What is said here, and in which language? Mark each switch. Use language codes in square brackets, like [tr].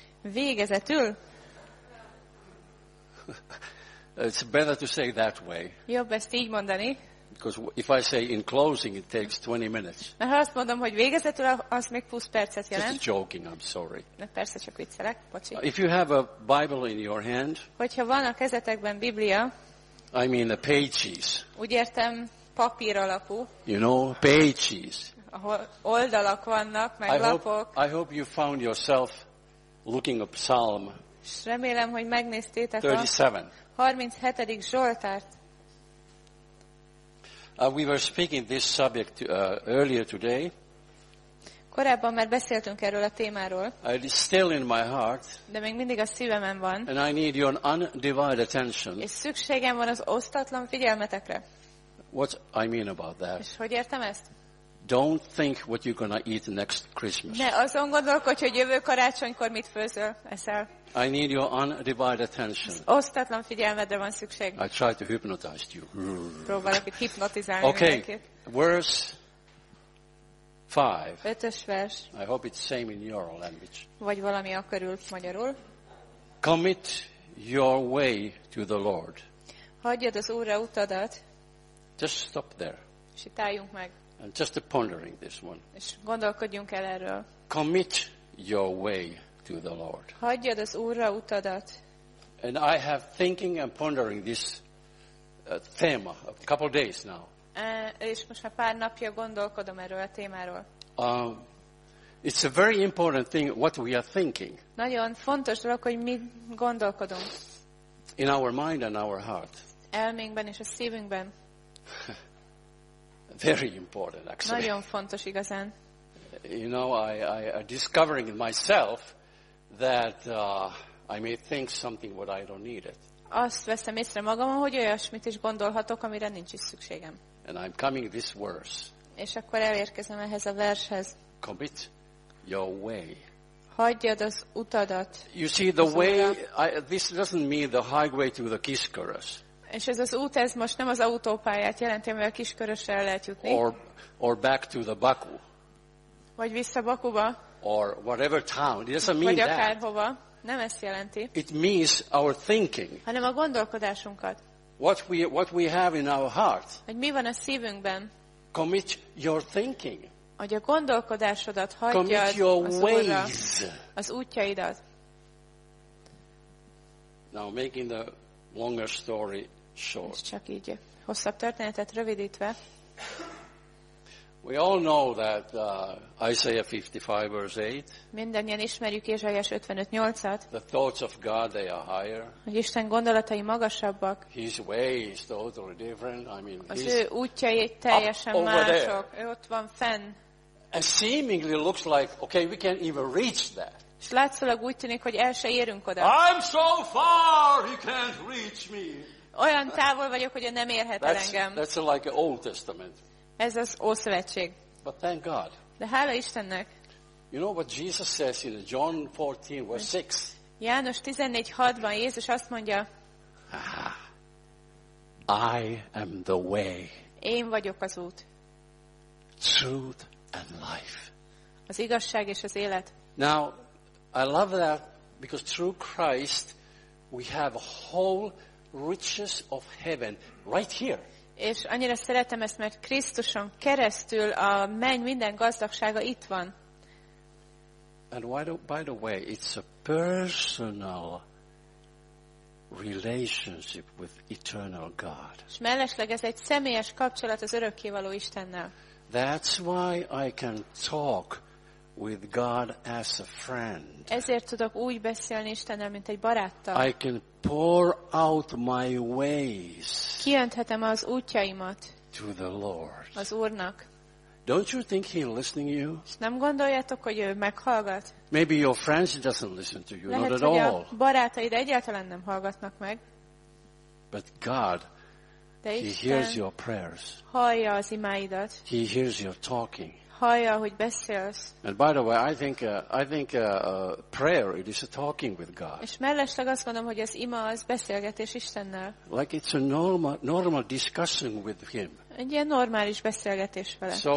[hu] Végezetül. [en] It's better to say that way. [hu] Jobb ezt így mondani. [en] Because if I say in closing, it takes 20 minutes. [hu] Na, ha azt mondom, hogy végezetül, az még 20 percet jelent. [en] Just joking, I'm sorry. [hu] Na, persze, csak viccelek, bocsi. [en] If you have a Bible in your hand. [hu] Hogyha van a kezetekben Biblia. [en] I mean the pages. [hu] Úgy értem, papír alapú. [en] You know, pages. [hu] Ahol oldalak vannak, meg lapok. [en] I hope you found yourself looking at Psalm. [hu] S remélem, hogy megnéztétek [en] 37. [hu] A 37. Zsoltárt. [en] We were speaking this subject earlier today. [hu] Korábban már beszéltünk erről a témáról. [en] It is still in my heart. [hu] De még mindig a szívemen van. [en] And I need your undivided attention. [hu] És szükségem van az osztatlan figyelmetekre. [en] What I mean about that? [hu] És hogy értem ezt? [en] Don't think what you're gonna eat next Christmas. [hu] Ne azon gondolkodj, hogy jövő karácsonykor mit főzöl, eszel. [en] I need your undivided attention. [hu] Osztatlan figyelmedre van szükség. [en] I try to hypnotize you. [hu] Próbálok itt hipnotizálni. [en] Okay. Verse 5. [hu] Ötös vers. [en] I hope it's same in your language. [hu] Vagy valami a körül magyarul. [en] Commit your way to the Lord. [hu] Hagyjad az Úrra utadat. [en] Just stop there. [hu] És itt álljunk meg. [en] And just pondering this one. [hu] És gondolkodjunk el erről. [en] Commit your way to the Lord. [hu] Hagyjad az Úrra utadat. [en] And I have thinking and pondering this theme a couple days now. [hu] És most már pár napja gondolkodom erről a témáról. [en] It's a very important thing what we are thinking. [hu] Nagyon fontos dolog, hogy mit gondolkodunk. [en] In our mind and our heart. [hu] Elménkben és a szívünkben. [en] Very important, actually. [hu] Nagyon fontos igazán. [en] You know, I am discovering in myself that I may think something what I don't need it. [hu] Azt veszem észre magamon, hogy olyasmit is gondolhatok, amire nincs is szükségem. [en] And I'm coming this verse. [hu] És akkor elérkezem ehhez a vershez. [en] Commit your way. [hu] Hagyjad az utadat. [en] You see, the way this doesn't mean the highway to the Kiskörös. [hu] És ez az út, ez most nem az autópályát jelenti, amivel Kiskörösre lehet jutni. [en] Or back to the Baku. [hu] Vagy vissza Bakuba. [en] Or whatever town. It doesn't mean that. [hu] Vagy akárhova. Nem ezt jelenti. [en] It means our thinking. [hu] Hanem a gondolkodásunkat. [en] What we have in our heart. [hu] Hogy mi van a szívünkben. [en] Commit your thinking. [hu] Hogy a gondolkodásodat hagyjad. [en] Commit your ways. [hu] Az útjaidat. [en] Now making the longer story short. [hu] Csak így hosszabb történetet rövidítve. [en] We all know that Isaiah 55 verse 8. [hu] Mindannyian ismerjük Ézsaiás 55:8-at. [en] The thoughts of God they are higher. [hu] Hogy Isten gondolatai magasabbak. [en] His way is totally different. I mean, [hu] az ő útjai teljesen mások. Ő ott van fenn. [en] And seemingly looks like okay, we can't even reach that. [hu] És látszólag úgy tűnik, hogy el se érünk oda. [en] I'm so far, he can't reach me. [hu] Olyan távol vagyok, hogy nem érhet el engem. [en] That's like an Old Testament. [hu] Ez az Ószövetség. [en] But thank God. [hu] De hála Istennek. [en] You know what Jesus says in John 14, verse 6. [hu] János 14:6-ban Jézus azt mondja. [en] I am the way. [hu] Én vagyok az út. [en] Truth and life. [hu] Az igazság és az élet. [en] Now, I love that because through Christ we have a whole riches of heaven right here. [hu] És annyira szeretem ezt, mert Krisztuson keresztül a menny minden gazdagsága itt van. [en] And by the way, it's a personal relationship with eternal God. [hu] És mellesleg ez egy személyes kapcsolat az örökkévaló Istennel. [en] That's why I can talk with God as a friend. [hu] Ezért tudok úgy beszélni Istennel, mint egy baráttal. [en] I can pour out my ways. [hu] Kijönthetem az útjaimat. [en] To the Lord. [hu] Az Úrnak. [en] Don't you think he's listening to you? [hu] Nem gondoljátok, hogy ő meghallgat? [en] Maybe your friends doesn't listen to you. [hu] Lehet, [en] not at all. [hu] Lehet, hogy a barátaid egyáltalán nem hallgatnak meg. [en] But God, [hu] de Isten, [en] he hears your prayers. [hu] Hallja az imáidat. [en] He hears your talking. [hu] Hallja, hogy beszélsz. [en] And by the way, I think prayer it is a talking with God. [hu] És mellesleg azt mondom, hogy az ima az beszélgetés Istennel. [en] Like it's a normal discussion with him. [hu] Egy ilyen normális beszélgetés vele.